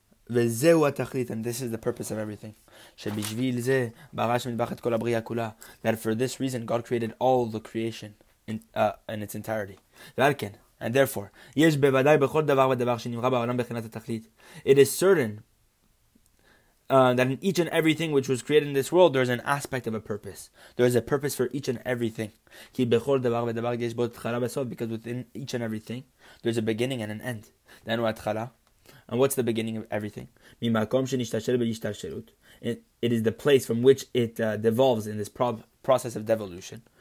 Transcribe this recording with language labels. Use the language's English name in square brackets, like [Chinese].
[English] And this is the purpose of everything. That for this reason, God created all the creation in its entirety. And therefore, [Hebrew] יש בוודאי בכל דבר ודבר שנמרא בעולם בחינת התכלית. [English] It is certain that in each and everything which was created in this world, there is an aspect of a purpose. There is a purpose for each and everything. Because within each and everything, there is a beginning and an end. Then what? And what's the beginning of everything? It is the place from which it devolves in this process of devolution.